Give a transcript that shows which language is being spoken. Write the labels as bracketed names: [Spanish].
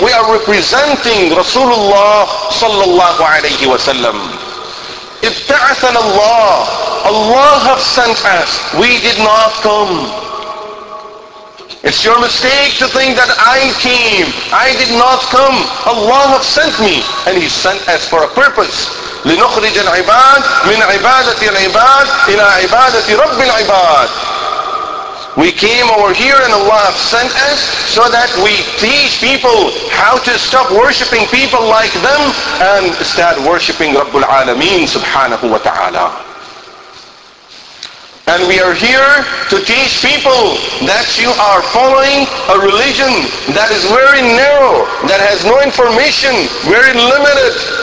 [English] We are representing Rasulullah sallallahu alayhi wasallam. Ibta'athan Allah. Allah have sent us. We did not come. It's your mistake to think that I came. I did not come. Allah have sent me. And He sent us for a purpose. [Arabic] لنخرج العباد من عبادة العباد إلى عبادة رب العباد. [English] We came over here and Allah have sent us so that we teach people how to stop worshipping people like them and start worshipping Rabbul Alameen subhanahu wa ta'ala. And we are here to teach people that you are following a religion that is very narrow, that has no information, very limited.